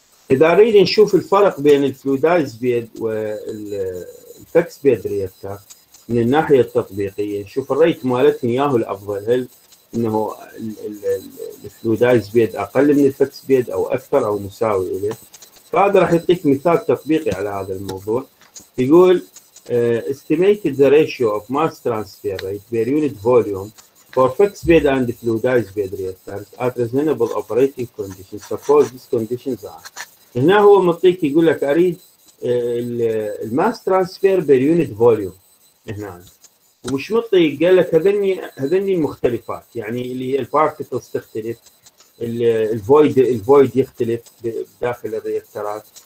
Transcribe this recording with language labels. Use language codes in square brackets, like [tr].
[ar] اذا اريد نشوف الفرق بين الفلويدايز بيد والفكس بيد ريكتر من الناحيه التطبيقيه، شوف الريت مالتهم ياهو الافضل، هل انه الفلويدايز بيد اقل من الفكس بيد او اكثر او مساوي له. فهذا راح يعطيك مثال تطبيقي على هذا الموضوع. [en] يقول estimated the ratio of mass transfer rate per unit volume for fixed bed and fluidized bed reactors at reasonable operating conditions. Suppose these conditions are. [ar] هنا هو مطيك يقول لك أريد ال mass transfer per unit volume هنا. ومش مطيك قال لك هذني المختلفات، يعني اللي هي الباركتلز تختلف، الفويد يختلف داخل الرياكترات.